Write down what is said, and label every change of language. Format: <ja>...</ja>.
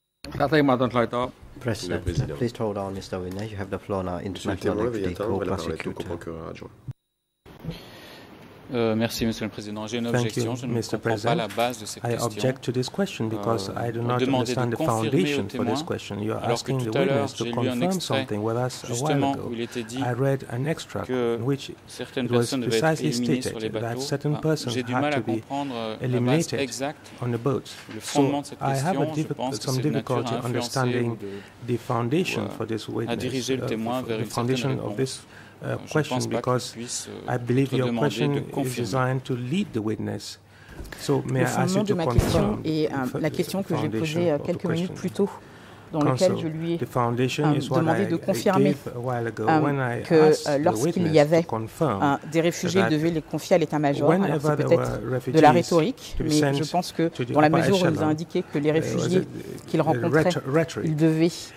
<en>President, please hold on, Mr. Winner. You have the floor now. International Deputy Co-Prosecutor.</en> <fr>Merci, Monsieur le Président. J'ai une objection. Je ne comprends pas la base de cette question.</fr> <en>I object to this question because I do not understand the foundation for this question. You are asking the witness to confirm something. Well, that's a while ago. I read an extract in which it was precisely stated that certain persons had to be eliminated on the boat. So I have some difficulty understanding the foundation for this witness, the foundation of this question because I believe your question is designed to lead the witness. So may I ask you to confirm</en> <fr>la question que j'ai posée quelques minutes plus tôt, dans laquelle je lui ai demandé de confirmer que lorsqu'il y avait des réfugiés, il devait les confier à l'état-major. Alors, c'est peut-être de la rhétorique, mais je pense que dans la mesure où il nous a indiqué que les réfugiés qu'il rencontrait, il devait</fr>